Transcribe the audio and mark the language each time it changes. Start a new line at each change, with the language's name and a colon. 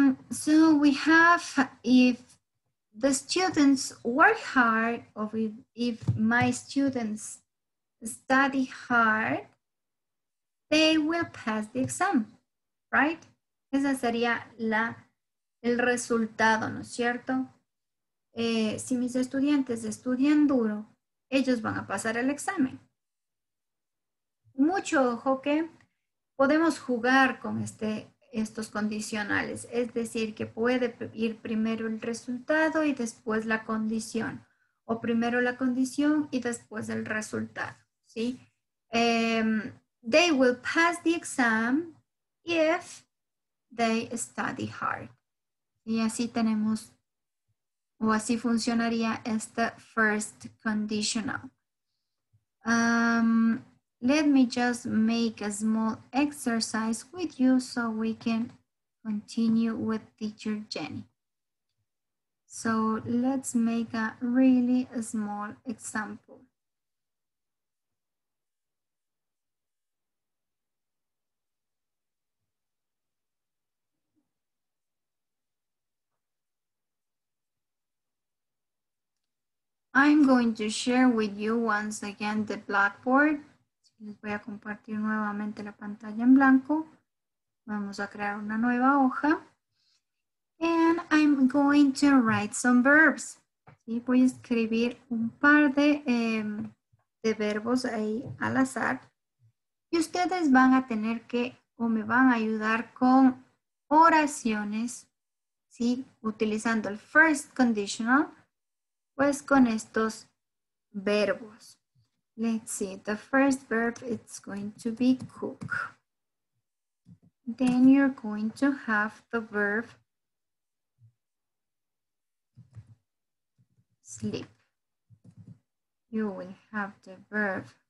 English: So we have, if the students work hard, or if my students study hard, they will pass the exam, right?
Spanish: Esa sería el resultado, ¿no es cierto? Si mis estudiantes estudian duro, ellos van a pasar el examen. Mucho ojo que podemos jugar con estos condicionales. Es decir, que puede ir primero el resultado y después la condición. O primero la condición y después el resultado. ¿Sí?
English: They will pass the exam if they study hard.
Spanish: Y así tenemos, o así funcionaría esta first conditional.
English: Let me just make a small exercise with you so we can continue with teacher Jenny. So let's make a really small example. I'm going to share with you once again the blackboard.
Spanish: Les voy a compartir nuevamente la pantalla en blanco. Vamos a crear una nueva hoja.
English: And I'm going to write some verbs.
Spanish: ¿Sí? Voy a escribir un par de verbos ahí al azar. Y ustedes van a tener que, o me van a ayudar con oraciones, ¿sí? Utilizando el first conditional, pues con estos verbos.
English: Let's see, the first verb it's going to be cook. Then you're going to have the verb sleep. You will have the verb